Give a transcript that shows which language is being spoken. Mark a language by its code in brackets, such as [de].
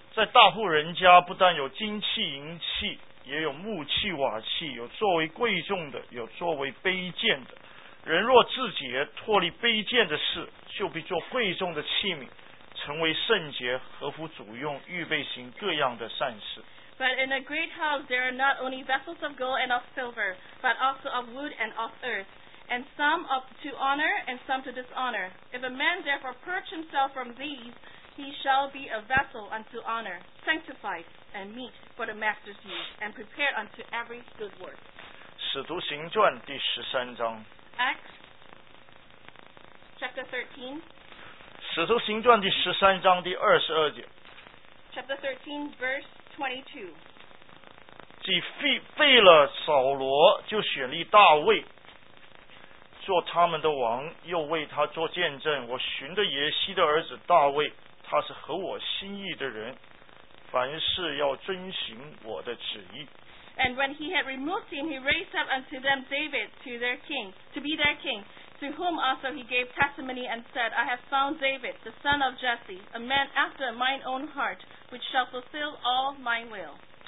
[zh] 在大户人家不但有金器银器，也有木器瓦器，有作为贵重的，有作为卑贱的。人若自洁，脱离卑贱的事，就必做贵重的器皿，成为圣洁，合乎主用，预备行各样的善事。 [en] But in a great house there are not only vessels of gold and of silver, but also of wood and of earth, and some of to honor and some to dishonor. If a man therefore purge himself from these,He shall be a vessel unto honor, sanctified and meet for the master's use, and prepared unto every good work. [zh] 使徒行传第十三章。 [en] Acts chapter 13. [zh] 使徒行传第十三章第二十二节。 [en] Chapter 13, verse 22. [zh] 既废了扫罗，就选立大卫。做他们的王，又为他做见证。我寻的耶西的儿子大卫。他是合我心意的人，凡事要遵行我的旨意。 [en] And when he had removed him, he raised up unto them David to their king, to be their king, to whom also he gave testimony and said, I have found David, the son of Jesse, a man after mine own heart, which shall fulfill all my will.